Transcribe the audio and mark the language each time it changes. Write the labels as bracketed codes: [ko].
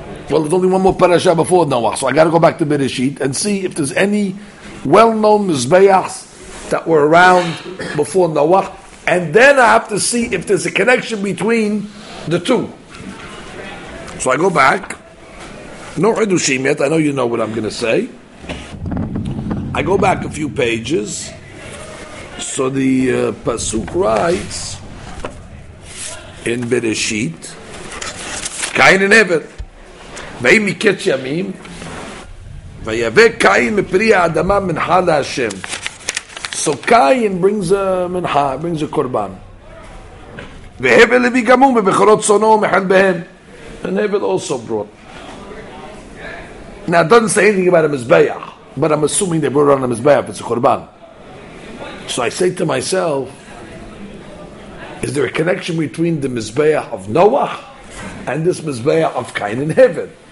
[en] Well, there's only one more parasha before Noah, so I got to go back to Bereshit and see if there's any well-known mizbeachs that were around before Noah, and then I have to see if there's a connection between the two. So I go back. No chidushim yet. I know you know what I'm going to say. I go back a few pages. So the pasuk writes in Bereshit, Kain and Eved. [he] ויהי מקץ ימים, ויבא קין מפרי האדמה מנחה להשם. [en] So Cain brings a מנחה, brings a קורבן. [he] והבל לוי גם הוא מבכורות צאנו ומחן בהם. [en] And Hevel also brought. Now, it doesn't say anything about a מזבח, but I'm assuming they brought it on a מזבח, it's a קורבן. So I say to myself, is there a connection between the מזבח of Noah and this מזבח of Cain in heaven?